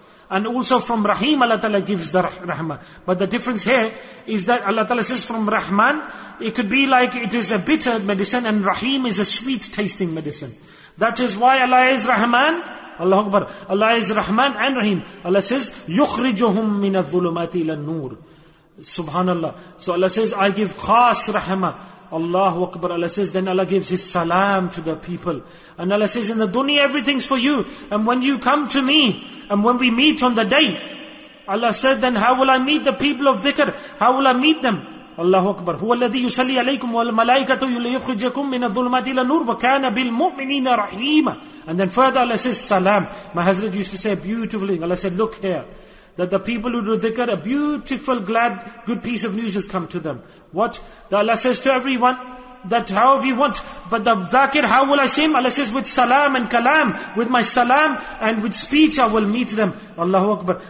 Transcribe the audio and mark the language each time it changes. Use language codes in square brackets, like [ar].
[en] And also from Rahim Allah Ta'ala gives the Rahmah. But the difference here is that Allah Ta'ala says from Rahman, it could be like it is a bitter medicine and Rahim is a sweet tasting medicine. That is why Allah is Rahman, Allahu Akbar, Allah is Rahman and Rahim. Allah says, [ar] يُخْرِجُهُمْ مِنَ الظُّلُمَاتِ إِلَى النُّورِ Subhanallah. [en] So Allah says, I give khas Rahmah. Allahu Akbar, Allah says, then Allah gives His salam to the people. And Allah says, in the dunya everything's for you. And when you come to me, and when we meet on the day, Allah says, then how will I meet the people of dhikr? How will I meet them? Allahu Akbar. [ar] هو الذي يصلي عليكم والملائكة يخرجكم من الظلمات إلى النور وكان بالمؤمنين رحيما. [en] And then further Allah says, salam. My Hazrat used to say beautifully, Allah said, look here. That the people who do dhikr, a beautiful, glad, good piece of news has come to them. What? That Allah says to everyone, that however you want, but the dhakir, how will I see him? Allah says, with salam and kalam, with my salam and with speech I will meet them. Allahu Akbar.